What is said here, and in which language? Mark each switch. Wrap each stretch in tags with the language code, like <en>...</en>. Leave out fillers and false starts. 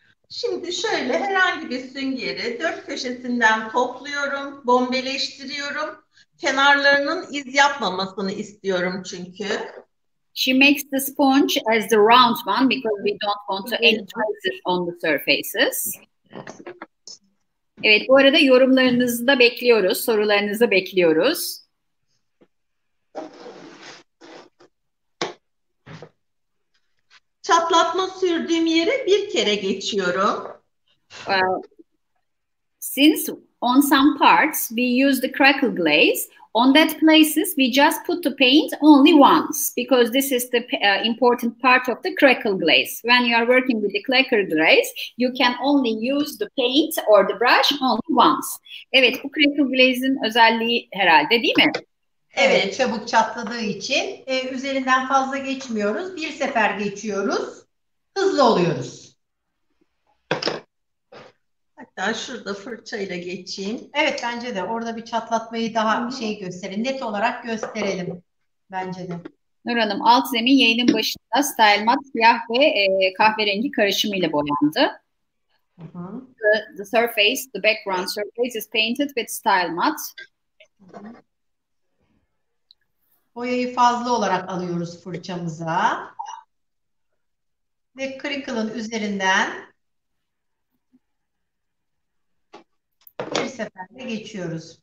<tr>Şimdi şöyle herhangi bir süngeri dört köşesinden topluyorum, bombeleştiriyorum. Kenarlarının iz yapmamasını istiyorum çünkü.</tr> <en>She makes the sponge as the round one because we don't want to any traces on the surfaces.</en> <tr>Evet, bu arada yorumlarınızı da bekliyoruz, sorularınızı bekliyoruz. Çatlatma sürdüğüm yere bir kere geçiyorum.</tr> <en>Since on some parts we use the crackle glaze, on that places we just put the paint only once because this is the important part of the crackle glaze. When you are working with the crackle glaze, you can only use the paint or the brush only once.</en> <tr>Evet, bu crackle glaze'in özelliği herhalde, değil mi? Evet, çabuk çatladığı için üzerinden fazla geçmiyoruz. Bir sefer geçiyoruz. Hızlı oluyoruz. Hatta şurada fırçayla geçeyim. Evet, bence de orada bir çatlatmayı daha şey gösterin. Net olarak gösterelim. Bence de. Nur Hanım, alt zemin yayının başında style mat siyah ve kahverengi karışımıyla boyandı.</tr> <en>The surface, the background surface is painted with style mat.</en> <tr>Boyayı fazla olarak alıyoruz fırçamıza. Ve crinkle'ın üzerinden bir seferde geçiyoruz.</tr>